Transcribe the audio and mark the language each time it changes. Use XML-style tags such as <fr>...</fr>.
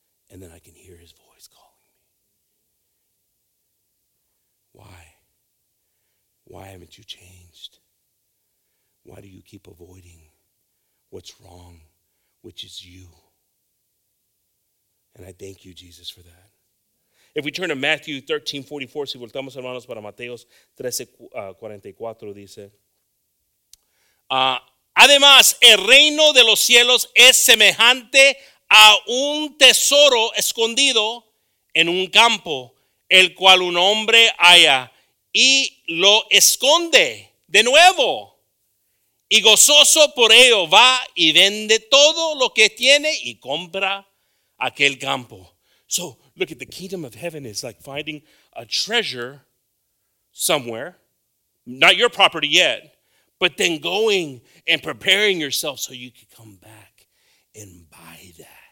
<en>And then I can hear his voice calling me. Why? Why haven't you changed? Why do you keep avoiding what's wrong, which is you? And I thank you, Jesus, for that. If we turn to Matthew 13:44,</en> <es>si voltamos, hermanos, para Mateos 13:44, dice, además, el reino de los cielos es semejante a un tesoro escondido en un campo, el cual un hombre halla y lo esconde de nuevo. Y gozoso por ello va y vende todo lo que tiene y compra aquel campo.</es> <en>So look at the kingdom of heaven is like finding a treasure somewhere, not your property yet, But then going and preparing yourself so you could come back and buy that.</en>